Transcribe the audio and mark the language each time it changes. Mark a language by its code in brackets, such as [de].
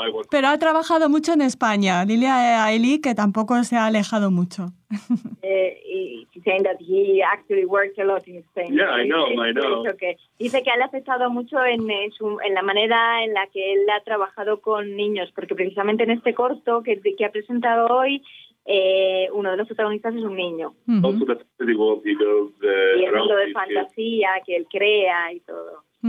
[es] Pero ha trabajado mucho en España, Lilia Ailey, que tampoco se ha alejado mucho. [en] He's saying that he actually worked a lot in Spain. Yeah, I know. Okay. [es] Dice que le ha afectado mucho en la manera en la que él ha trabajado con niños, porque precisamente en este corto que ha presentado hoy, uno de los protagonistas es un niño. Y el mundo de fantasía que él crea y todo.